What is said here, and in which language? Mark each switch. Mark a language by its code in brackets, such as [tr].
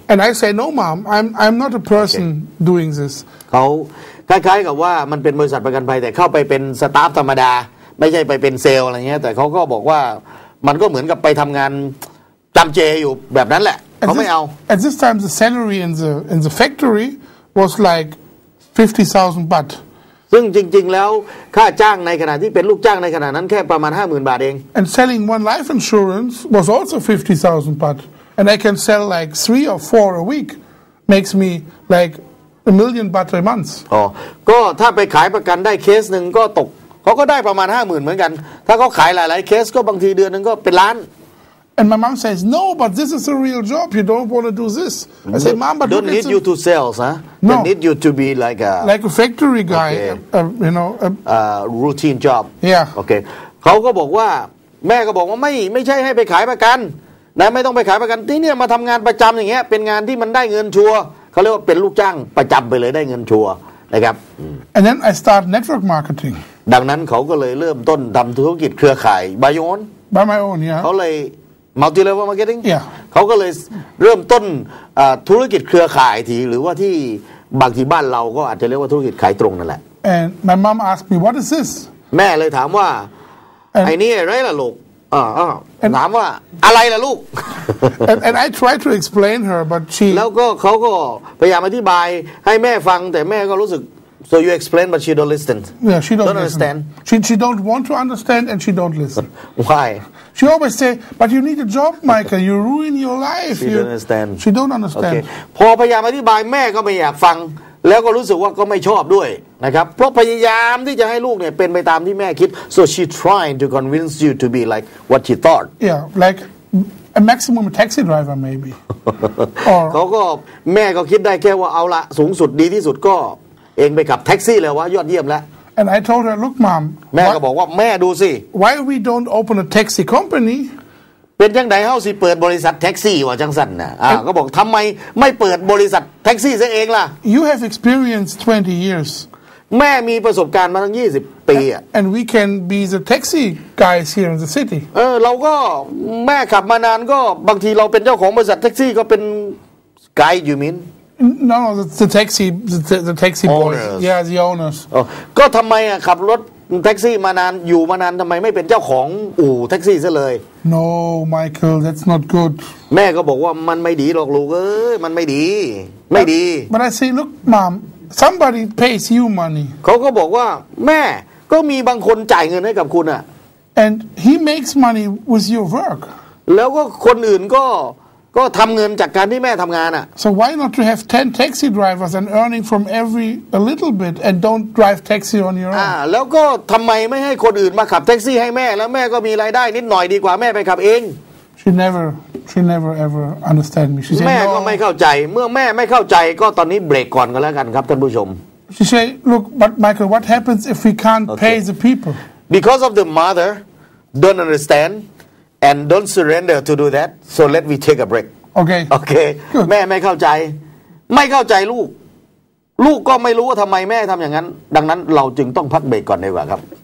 [en] And I say no mom I'm not a person doing this [th] เขาคล้ายๆกับว่ามันเป็นบริษัทประกันภัยแต่เข้าไปเป็นสตาฟธรรมดาไม่ใช่ไปเป็นเซลล์อะไรเงี้ยแต่เขาก็บอกว่ามันก็เหมือนกับไปทำงานจำเจอยู่แบบนั้นแหละเขาไม่เอา [en] At this time the salary in the factory was like 50,000 baht [th] ซึ่งจริงๆแล้วค่าจ้างในขณะที่เป็นลูกจ้างในขณะนั้นแค่ประมาณ 50,000 บาทเอง [en] And selling one life insurance was also 50,000 baht and I can sell like 3 or 4 a week makes me like a million baht a month [th] อ๋อก็ถ้าไปขายประกันได้เคสนึงก็ตกเขาก็ได้ประมาณ 50,000 เหมือนกันถ้าเขาขายหลายๆเคสก็บางทีเดือนนึงก็เป็นล้าน [en] And my mom says no but this is a real job you don't want to do this I say mom but don't need you to sales huh no. They need you to be like a factory guy you know a routine job yeah [th] okay เขาก็บอกว่าแม่ก็บอกว่าไม่ใช่ให้ไปขายประกันนะไม่ต้องไปขายประกันที่เนี่ยมาทำงานประจำอย่างเงี้ยเป็นงานที่มันได้เงินชัวเขาเรียกว่าเป็นลูกจ้างประจำไปเลยได้เงินชัวนะครับ [en] And then I start network marketing [th] ดังนั้นเขาก็เลยเริ่มต้นทำธุรกิจเครือข่าย [en] Buy my own yeah [th] เขาเลยMulti-level marketing [en] yeah [th] เขาก็เลยเริ่มต้นธุรกิจเครือข่ายทีหรือว่าที่บางทีบ้านเราก็อาจจะเรียกว่าธุรกิจขายตรงนั่นแหละ [en] and my mom asked me what is this [th] แม่เลยถามว่าไอ้นี่อะไรล่ะลูกถามว่าอะไรล่ะลูก [en] and I tried to explain her but she [th] แล้วก็เขาก็พยายามอธิบายให้แม่ฟังแต่แม่ก็รู้สึก [en] so you explain but she don't listen yeah she don't understand she don't want to understand and she don't listen why She always say, but you need a job, Michael. You ruin your life. She don't understand. She don't understand. Okay. [th] พอพยายามอธิบายแม่ก็ไม่อยากฟังแล้วก็รู้สึกว่าก็ไม่ชอบด้วยนะครับเพราะพยายามที่จะให้ลูกเนี่ยเป็นไปตามที่แม่คิด [en] So she tried to convince you to be like what she thought. Yeah, like a maximum taxi driver maybe. [th] เขาก็แม่ก็คิดได้แค่ว่าเอาละสูงสุดดีที่สุดก็เองไปขับแท็กซี่แล้ววะยอดเยี่ยมแล้ว [en] And I told her, look, mom. [th] แม่ก็บอกว่าแม่ดูสิ [en] Why we don't open a taxi company? [th] เป็นยังไงเฮาสิเปิดบริษัทแท็กซี่วะจังสันน่ะก็บอกทำไมไม่เปิดบริษัทแท็กซี่ซะเองล่ะ [en] You have experience 20 years. [th] แม่มีประสบการณ์มาทั้ง20ปีอ่ะ [en] And we can be the taxi guys here in the city. [th] เออเราก็แม่ขับมานานก็บางทีเราเป็นเจ้าของบริษัทแท็กซี่ก็เป็น [en] guy you mean? No, the taxi owners. Boys. Yeah, the owners. [th] Oh, ก็ทำไมอ่ะขับรถแท็กซี่มานานอยู่มานานทำไมไม่เป็นเจ้าของอู่แท็กซี่ซะเลย [en] No, Michael, that's not good. [th] แม่ก็บอกว่ามันไม่ดีหรอกลูกเอ้ยมันไม่ดีไม่ดี [en] But I say, look, mom, somebody pays you money. [th] เขาก็บอกว่าแม่ก็มีบางคนจ่ายเงินให้กับคุณอ่ะ [en] And he makes money with your work. [th] แล้วก็คนอื่นก็ทำเงินจากการที่แม่ทำงานอ่ะ [en] So why not to have 10 taxi drivers and earning from every a little bit and don't drive taxi on your own [th] แล้วก็ทำไมไม่ให้คนอื่นมาขับแท็กซี่ให้แม่แล้วแม่ก็มีรายได้นิดหน่อยดีกว่าแม่ไปขับเอง [en] She never ever understand me She said, [th] แม่ก็ไม่เข้าใจเมื่อแม่ไม่เข้าใจก็ตอนนี้เบรกก่อนก็แล้วกันครับท่านผู้ชม [en] She said look but Michael what happens if we can't pay the people because of the mother don't understandAnd don't surrender to do that. So let me take a break. Okay. Okay. Good. [th] แม่ไม่เข้าใจไม่เข้าใจลูกลูกก็ไม่รู้ว่าทำไมแม่ทำอย่างนั้นดังนั้นเราจึงต้องพักเบรกก่อนดีกว่าครับ